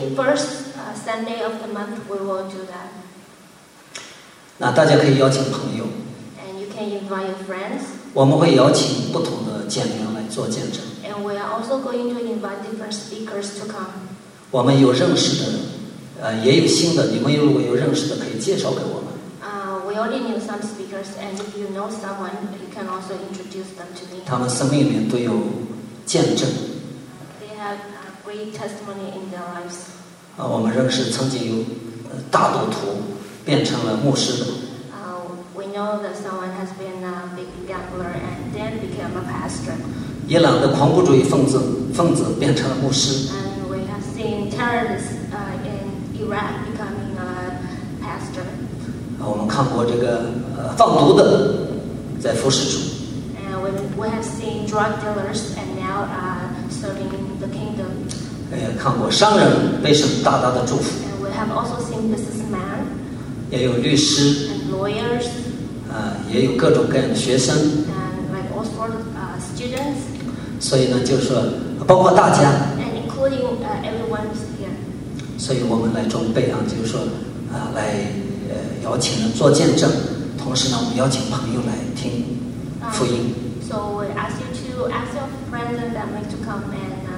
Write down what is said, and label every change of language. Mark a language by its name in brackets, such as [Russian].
[English] First Sunday of the month, we will do that. [Chinese] 那大家可以邀请朋友。 [English] And you can invite your friends. [Chinese] 我们会邀请不同的见证来做见证。 [English] And we are also going to invite different speakers to come. [Chinese] 我们有认识的，也有新的。你们如果有认识的，可以介绍给我们。 [English] We already knew some speakers, and if you know someone, you can also introduce them to me. [Chinese] 他们生命里面都有见证。 [English] They have a great testimony in their lives. [Chinese] 我们认识曾经有大赌徒变成了牧师的。 [English] We know that someone has been a big gambler and then became a pastor. [Chinese] 伊朗的恐怖主义分子变成了牧师。 [English] And we have seen terrorists in Iraq becoming a pastor. [Chinese] 我们看过这个放毒的在服侍主。 [English] And we have seen drug dealers and now serving the kingdom. [Chinese] 看过商人被神大大的祝福。 [English] We have also seen businessman. [Chinese] 也有律师。 [English] And lawyers. [Chinese] 也有各种各样的学生。 [English] And like all sorts of students. [Chinese] 所以呢，就是说包括大家。 [English] And including everyone is here. [Chinese] 所以我们来准备啊，就是说来邀请人做见证，同时呢，我们邀请朋友来听福音。 [English] So we ask you to ask your friends that like to come and.